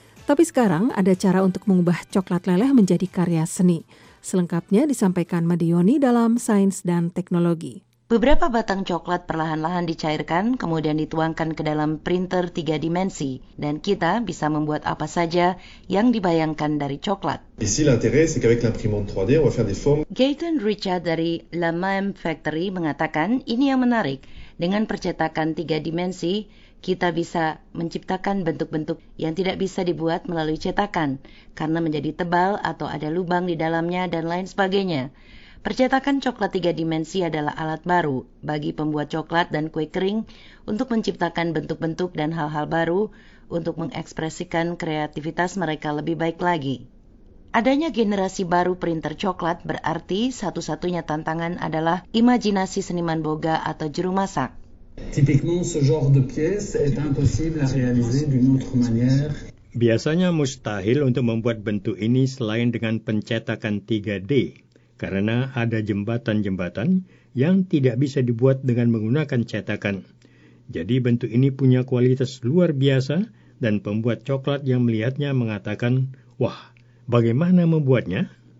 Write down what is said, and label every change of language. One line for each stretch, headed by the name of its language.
Indonesian: Tapi sekarang ada cara untuk mengubah coklat leleh menjadi karya seni. Selengkapnya disampaikan Madioni dalam Sains dan Teknologi. Beberapa batang coklat perlahan-lahan dicairkan, kemudian dituangkan ke dalam printer 3 dimensi, dan kita bisa membuat apa saja yang dibayangkan dari coklat.
French: Ici l'intérêt c'est qu'avec l'imprimante 3D on va faire des formes.
Indonesian: Gaten Richard dari La Mame Factory mengatakan ini yang menarik. Dengan percetakan 3 dimensi, kita bisa menciptakan bentuk-bentuk yang tidak bisa dibuat melalui cetakan karena menjadi tebal atau ada lubang di dalamnya dan lain sebagainya. Percetakan coklat 3 dimensi adalah alat baru bagi pembuat coklat dan kue kering untuk menciptakan bentuk-bentuk dan hal-hal baru untuk mengekspresikan kreativitas mereka lebih baik lagi. Adanya generasi baru printer coklat berarti satu-satunya tantangan adalah imajinasi seniman boga atau juru masak.
French: Typiquement ce genre de pièce est impossible à réaliser d'une autre manière.
Indonesian: Biasanya mustahil untuk membuat bentuk ini selain dengan pencetakan 3D. Karena ada jembatan-jembatan yang tidak bisa dibuat dengan menggunakan cetakan. Jadi bentuk ini punya kualitas luar biasa dan pembuat coklat yang melihatnya mengatakan, wah, bagaimana membuatnya?